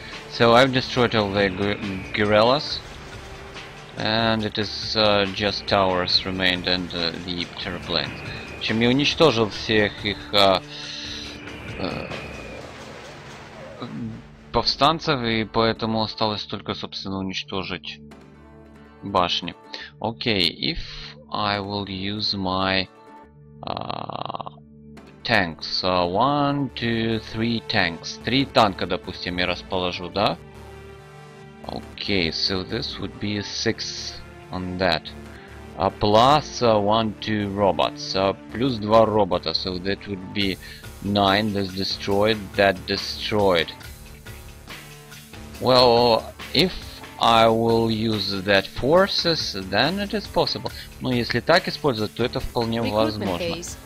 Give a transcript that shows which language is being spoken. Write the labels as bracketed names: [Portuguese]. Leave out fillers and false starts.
[English] So I've destroyed all the guerrillas, and it is just towers remained and the terraplanes. [Russian] Чем я уничтожил всех их повстанцев, и поэтому осталось только, собственно, уничтожить башни. [English] Okay, if I will use my tanks. One, two, three tanks. [Russian] Три танка, допустим, я расположу, да? [English] Okay, so this would be six on that. Plus one, two robots. [Russian] Плюс два робота. [English] So that would be nine. This destroyed. That destroyed. Well, if I will use that forces, then it is possible. [Russian] Ну, если так использовать, то это вполне возможно.